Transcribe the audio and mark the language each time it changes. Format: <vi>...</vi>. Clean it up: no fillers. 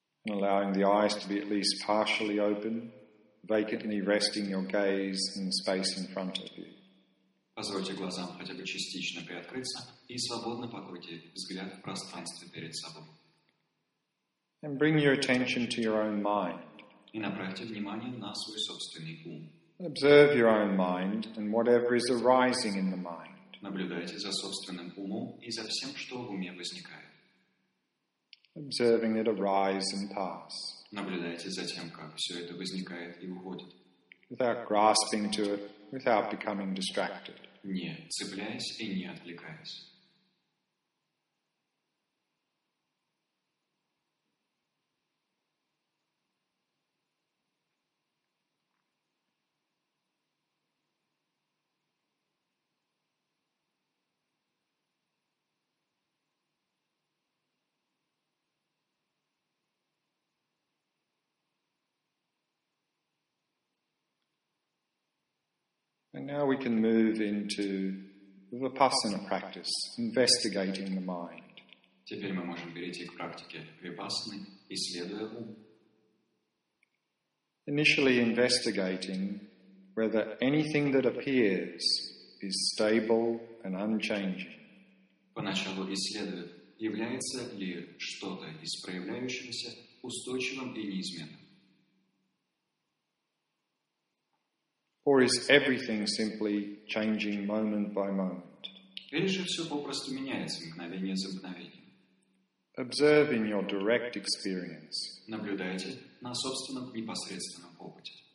<en>allowing the eyes to be at least partially open, vacantly resting your gaze in the space in front of you.</en> <ru>Позвольте глазам хотя бы частично приоткрыться и свободно покройте взгляд в пространстве перед собой.</ru> <en>And bring your attention to your own mind.</en> <ru>И направьте внимание на свой собственный ум.</ru> <en>Observe your own mind and whatever is arising in the mind.</en> <ru>Наблюдайте за собственным умом и за всем, что в уме возникает.</ru> <en>Observing it arise and pass.</en> <ru>Наблюдайте за тем, как все это возникает и уходит.</ru> <en>Without grasping to it, without becoming distracted.</en> <ru>Не цепляясь и не отвлекаясь.</ru> <en>And now we can move into Vipassana practice, investigating the mind.</en> <ru>Теперь мы можем перейти к практике Випассаны, исследуя ум.</ru> <en>Initially investigating whether anything that appears is stable and unchanging.</en> <ru>Поначалу исследуя, является ли что-то из проявляющегося устойчивым и неизменным.</ru> <en>Or is everything simply changing moment by moment?</en> <ru>Или же все попросту меняется мгновение за мгновением?</ru> <en>Observe in your direct experience.</en> <ru>Наблюдайте на собственном непосредственном опыте.</ru>